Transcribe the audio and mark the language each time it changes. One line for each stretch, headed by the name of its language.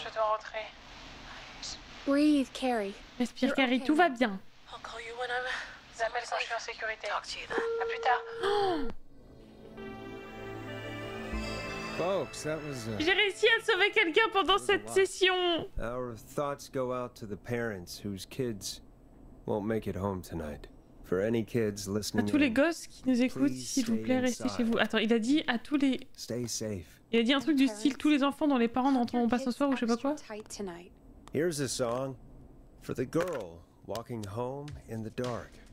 French: Je dois rentrer.
English: Breathe, Carrie.
French: Respire,
English: You're Carrie, okay.
French: Tout va bien.
English: I'll call you when I'm...
French: J'appelle quand je suis en sécurité.
English: Talk to you then.
French: À plus tard.
English: Folks, that was a...
French: J'ai réussi à sauver quelqu'un pendant cette session.
English: Our thoughts go out to the parents whose kids won't make it home tonight. For any kids listening
French: à tous les gosses qui nous écoutent, s'il vous plaît, restez chez vous. Attends, il a dit à tous les...
English: Stay safe.
French: Il a dit un truc du style, tous les enfants dont les parents n'entendront pas ce soir ou je sais pas quoi.
English: Here's a song for the girl walking home in the dark.